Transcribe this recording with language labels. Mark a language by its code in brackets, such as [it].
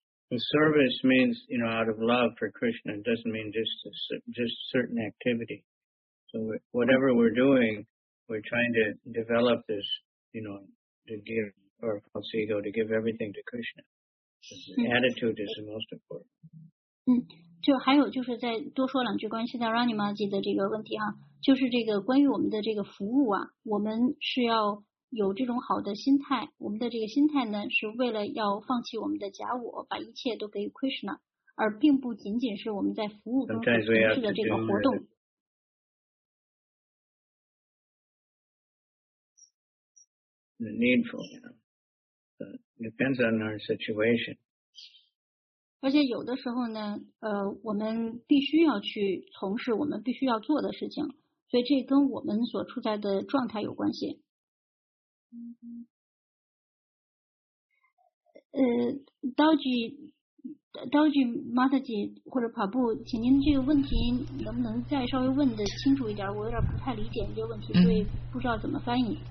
[en] The service means, you know, out of love for Krishna, it doesn't mean just certain activity. So whatever we're doing, we're trying to develop this, you know, to give our false ego, to give everything to Krishna. The attitude is the most important. [zh] 就还有就是再多说两句关系到 Rani Maji 的这个问题哈，就是这个关于我们的这个服务啊，我们是要有这种好的心态，我们的这个心态呢是为了要放弃我们的假我，把一切都给 Krishna， 而并不仅仅是我们在服务中从事的这个活动。 [en] Needful, depends on our situation. [zh] 而且有的时候呢，我们必须要去从事我们必须要做的事情，所以这跟我们所处在的状态有关系。道具 Mataji 或者跑步，请您这个问题能不能再稍微问的清楚一点？我有点不太理解这个问题，所以不知道怎么翻译。